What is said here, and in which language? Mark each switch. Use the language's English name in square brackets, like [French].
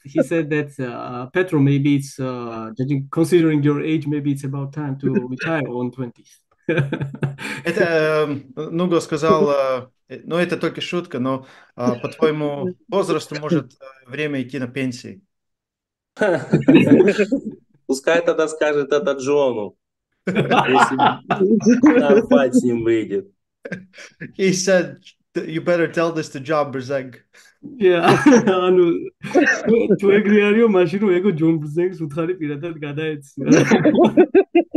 [English] He said that Petro, maybe it's judging, considering your age, maybe it's about time to retire on 20s. [Russian] Это, Нуго сказал, ну это только шутка, но по твоему возрасту может время идти на пенсии. Пускай тогда скажет это Джону, если на пенсии выйдет. [English] He said, you better tell this to John Brzeg. [Georgian] Yeah, ანუ თუ ეგრე არისო, მაშინ რომ ეგო ჯონ ბრზენგს უთხარი პირადად გადაეცი.